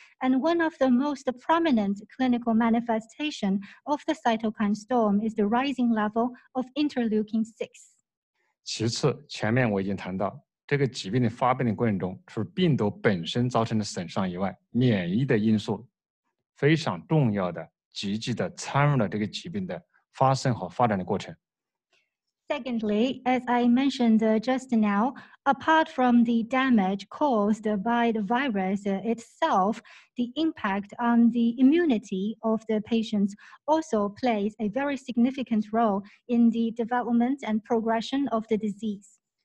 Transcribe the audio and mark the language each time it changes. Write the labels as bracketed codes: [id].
[en] And one of the most prominent clinical manifestations of the cytokine storm is the rising level of interleukin 6. [zh] 其次，前面我已经谈到，这个疾病的发病的过程中，除了病毒本身造成的损伤以外，免疫的因素非常重要的，积极地参与了这个疾病的发生和发展的过程。 [en] Secondly, as I mentioned just now, apart from the damage caused by the virus itself, the impact on the immunity of the patients also plays a very significant role in the development and progression of the disease.